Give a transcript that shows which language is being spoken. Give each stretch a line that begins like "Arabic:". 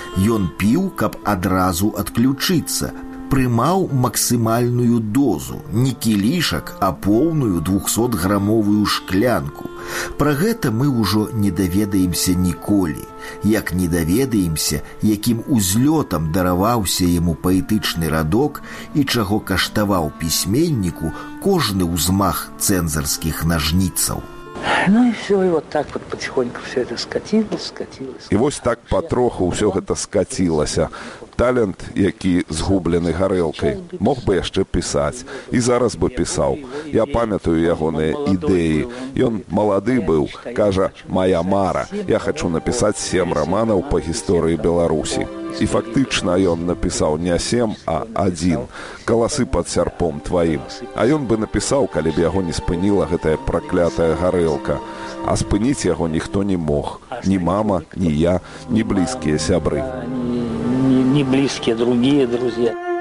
Belarusian: Ён піў, каб адразу адключыцца. Прымаў максімальную дозу, не кілішак, а поўную 200-грамовую шклянку. Пра гэта мы ўжо не даведаемся ніколі. Як не даведаемся, якім узлётам дараваўся яму паэтычны радок і чаго каштаваў пісьменніку кожны ўзмах цэнзарскіх нажніцаў.
Russian: Ну і все, і вот так вот потихоньку все это скатилось.
Belarusian: І вось так патроху все гэта скатілася. Талент, які згублены гарэлкай, мог бы яшчэ пісаць. І зараз бы пісаў. Я памятаю ягоныя ідэі. Ён малады быў. Кажа, мая мара. Я хачу напісаць 7 раманаў па гісторыі Беларусі.
Russian: И фактично он написал не 7, а 1. Голосы под серпом твоим. А он бы написал, коли бы его не спынила эта проклятая горелка. А спынить его никто не мог. Ни мама, ни я, ни близкие сябры. Ни близкие другие друзья.